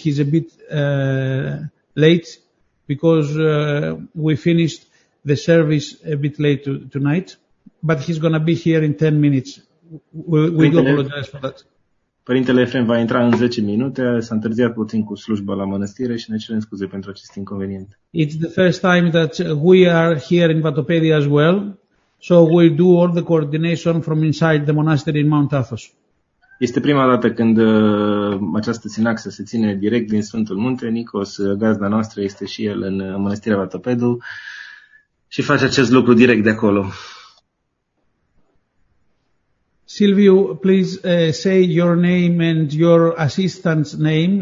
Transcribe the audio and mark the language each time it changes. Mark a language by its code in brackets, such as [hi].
[en] He's a bit late because we finished the service a bit late tonight, but he's going to be here in 10 minutes. We do apologize for that. [ro] Părintele Ephraim va intra în 10 minute, s-a întârziat puțin cu slujba la mănăstire și ne cerem scuze pentru acest inconvenient. [en] It's the first time that we are here in Vatopedia as well, so we do all the coordination from inside the monastery in Mount Athos. [ro] Este prima dată când această sinaxă se ține direct din Sfântul Munte. Nicos, gazda noastră, este și el în Mănăstirea Vatopedu și face acest lucru direct de acolo. [en] Silviu, please say your name and your assistant's name.